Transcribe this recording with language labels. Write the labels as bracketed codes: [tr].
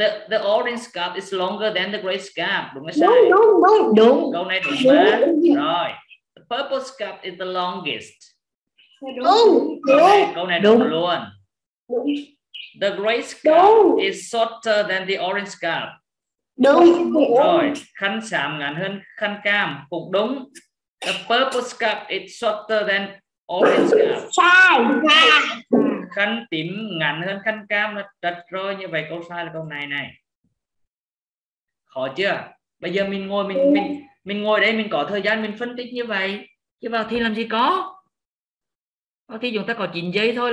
[en] The orange scarf is longer than the gray scarf. [vi] Đúng hay sai? Đúng, đúng, đúng. Câu này đúng mà. Rồi. [en] The purple scarf is the longest. [vi] Đúng. Câu này đúng luôn. [en] The gray scarf is shorter than the orange scarf. [vi] Đúng. Rồi. Khăn sạm ngắn hơn khăn cam. Cũng đúng. [en] The purple scarf is shorter than orange scarf. [vi] Sai. Khăn tím ngắn hơn khăn cam là trật rồi. Như vậy câu sai là câu này này. Khó chưa? Bây giờ mình ngồi mình ngồi đây mình có thời gian mình phân tích như vậy. Chứ vào thi làm gì có? Vào thi chúng ta có 9 giây thôi.